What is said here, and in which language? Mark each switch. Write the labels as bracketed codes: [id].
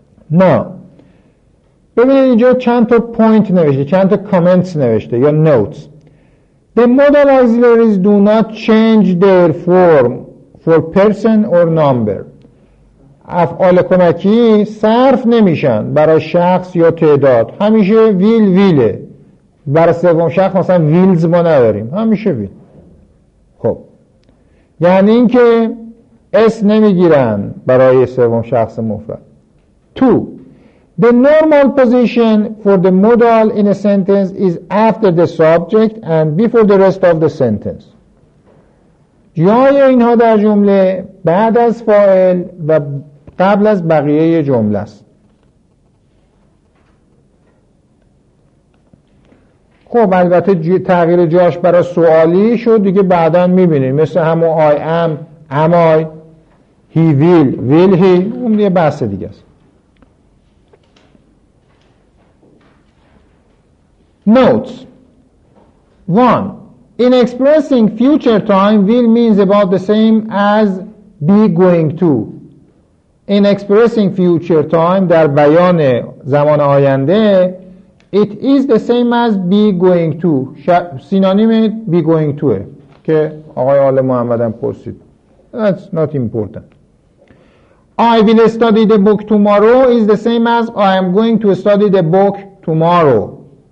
[fa] Now, ببینید اینجا چند تا پوینت نوشته، چند تا کامنتس نوشته یا نوتس. [en] The modal auxiliaries do not change their form for person or number. [fa] افعال کمکی صرف نمیشن برای شخص یا تعداد. همیشه ویله. برای سوم شخص مثلا ویلز ما نداریم، همیشه ویل. خب یعنی این که اس نمیگیرن برای سوم شخص مفرد. 2. [en] The normal position for the modal in a sentence is after the subject and before the rest of the sentence. [fa] جای اینها در جمله بعد از فاعل و قبل از بقیه جمله است. خب البته تغییر جاش برای سوالی شد دیگه، بعداً می‌بینید. مثل همون [en] I am I, he will he، [fa] اون یه بحث دیگه است. [en] Notes 1. In expressing future time, will means about the same as be going to. In expressing future time, [fa] در بیان زمان آینده، [en] it is the same as be going to. [fa] سینانیم be going to که آقای آل محمد هم پرسید. [en] That's not important. I will study the book tomorrow is the same as I am going to study the book tomorrow.